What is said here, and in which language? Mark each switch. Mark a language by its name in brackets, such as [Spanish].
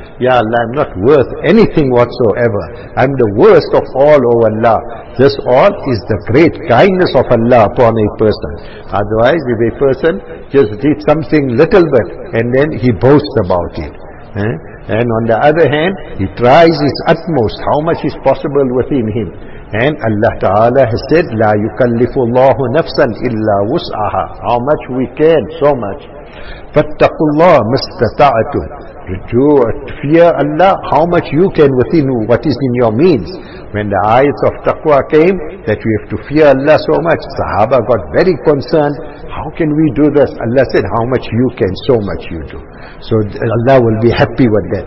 [English] Ya Allah, I'm not worth anything whatsoever. I'm the worst of all, O Allah. This all is the great kindness of Allah upon a person. Otherwise, if a person just did something little bit, and then he boasts about it. And on the other hand, he tries his utmost, how much is possible within him. And Allah Ta'ala has said, [Arabic] لا يكلف الله نفسا إلا وسعها. [English] How much we can, so much. [Arabic] فَاتَّقُوا اللَّهُ مَسْتَطَعَتُمْ. [English] Fear Allah, how much you can within what is in your means. When the ayats of taqwa came, that we have to fear Allah so much, Sahaba got very concerned, how can we do this? Allah said, how much you can, so much you do. So Allah will be happy with that.